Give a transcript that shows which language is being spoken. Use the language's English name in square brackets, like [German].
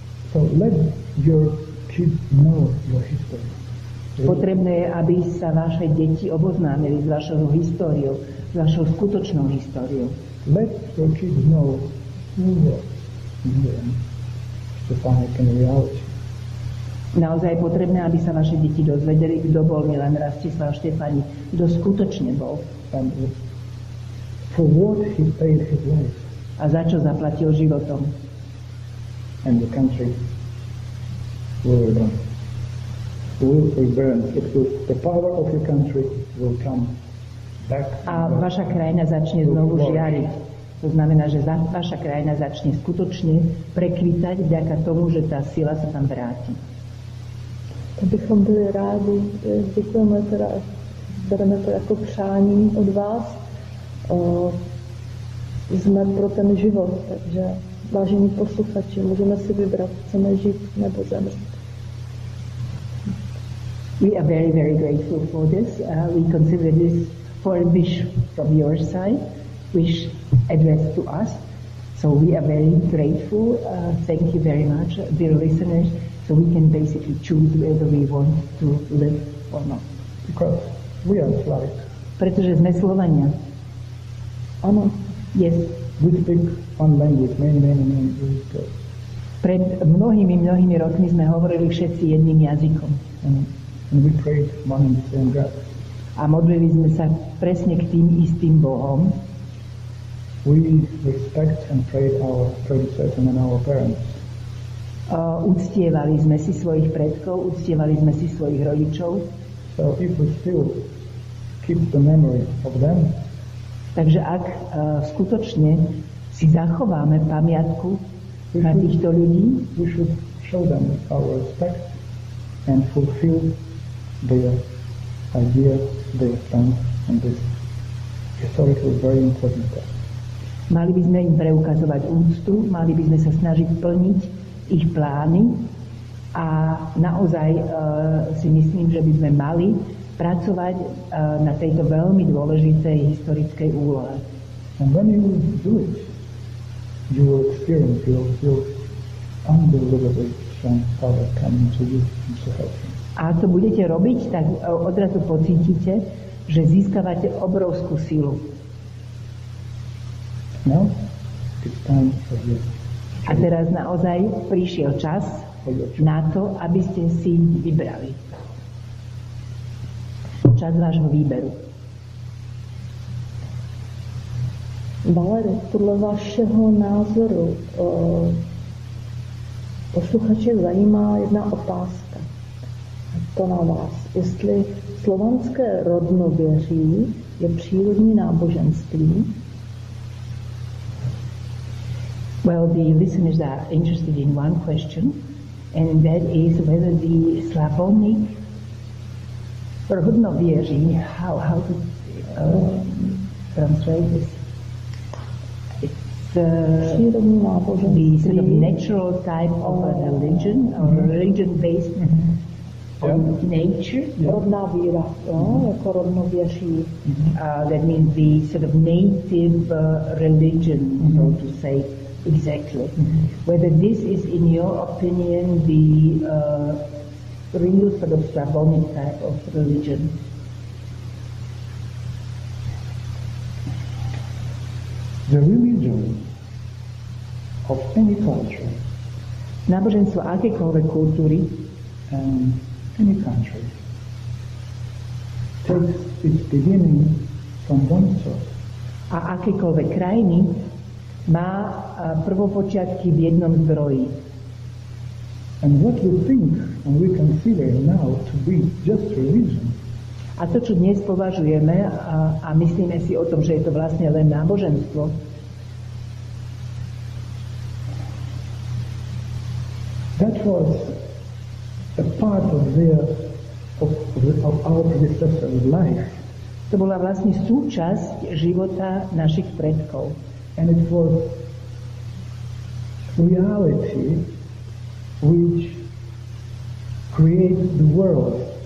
[English] So, let your kids know your history. [Slovak] Potrebné je, aby sa vaše deti oboznámili s vašou históriou, s vašou skutočnou históriou. [English] Let your kids know who was Milan Štefanik in reality. [Slovak] Naozaj je potrebné, aby sa vaše deti dozvedeli, kto bol Milan Rastislav Štefanik, kto skutočne bol. [English] For what he paid his life. [Slovak] A za čo zaplatil životom. [English] And the country will burn. Will burn. It will, the power of your country will come back. [Slovak] A vaša krajina začne znovu žiariť. To znamená, že vaša krajina začne skutočne prekvitať vďaka tomu, že tá sila sa tam vráti. [Czech] Abychom byli rádi, děkujeme teda, bereme to jako přání od vás. Jsme pro ten život, takže vážení posluchači, můžeme si vybrat, chceme žít nebo zemřít. [English] We are very, very grateful for this. We consider this for a wish from your side, wish addressed to us. So we are very grateful. Thank you very much, dear listeners. So we can basically choose whether we want to live or not. Because we are Slavic. [Slovak] Pretože sme Slovania. Áno. [English] Yes. We speak one language many years ago. [Slovak] Pred mnohými rokmi sme hovorili všetci jedným jazykom. [English] And we prayed one and the same God. [Slovak] A modlili sme sa presne k tým istým Bohom. [English] We respect and pray our predecessors and our parents. [Slovak] Uctievali sme si svojich predkov, uctievali sme si svojich rodičov. [English] So if we still keep the memory of them, [Slovak] takže ak skutočne si zachováme pamiatku na týchto ľudí. [English] We should show them our respect and fulfill their idea, their stance on this historical very important task. [Slovak] Mali by sme im preukazovať úctu, mali by sme sa snažiť plniť ich plány a naozaj si myslím, že by sme mali pracovať na tejto veľmi dôležitej historickej úlohe. [English] And when you do it, you will experience your unbelievable strength power coming to you and to help you. [Slovak] A to budete robiť, tak odrazu pocítite, že získavate obrovskú silu. [English] No, it's time for you. [Slovak] A teraz naozaj prišiel čas na to, aby ste si vybrali. Čas vášho výberu. [Czech] Valere, [Slovak] podľa vášho názoru [Czech] posluchače zajímá jedna otázka. To na vás. Jestli slovanské rodnověří je přírodní náboženství. [English] Well, the listeners are interested in one question, and that is whether the Slavonic rodnověří, how to translate this, the sort of natural type of a religion, or a religion based on nature. [Czech] Rodná víra, jako rodnověří. [English] That means the sort of native religion, so to say. Exactly. Mm-hmm. Whether this is, in your opinion, the real sort of Slavonic type of religion? The religion of any culture, [Slovak] náboženstvo akékoľvek kultúry, [English] and any country, takes its beginning from one source. [Slovak] A akékoľvek krajiny má prvopočiatky v jednom zdroji. [English] And what we think and we consider now to be just religion. [Slovak] A to, čo dnes považujeme a myslíme si o tom, že je to vlastne len náboženstvo. [English] That was a part of their of our predecessor's life. [Slovak] To bola vlastne súčasť života našich predkov. [English] And it was reality which created the world.